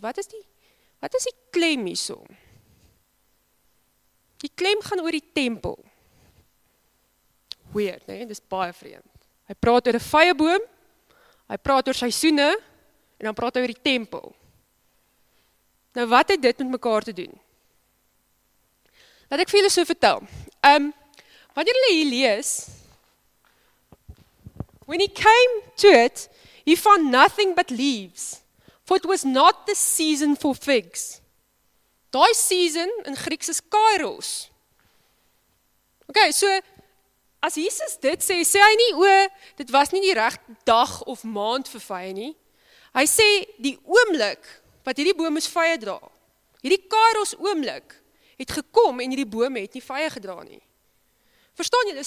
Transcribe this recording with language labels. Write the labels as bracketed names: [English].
[Afrikaans] Wat is die klem hierso? Die klem gaan oor die tempel. Weird, nee, dis baie vreemd. Hy praat oor 'n vyeboom, hy praat oor seisoene, en dan praat hy oor die tempel. Nou, wat het dit met mekaar te doen? Laat ek vir julle so vertel. Wanneer julle hier lees, [English] when he came to it, he found nothing but leaves, for it was not the season for figs. [Afrikaans] Daai season in Grieks is kairos. OK, so, as Jesus dit sê, sê hy nie oor, dit was nie die regte dag of maand vir vye nie. Hy sê die oomblik wat hierdie boom is vye dra. Hierdie kairos oomblik het gekom en hierdie boom het nie vye gedra nie. Verstaan julle?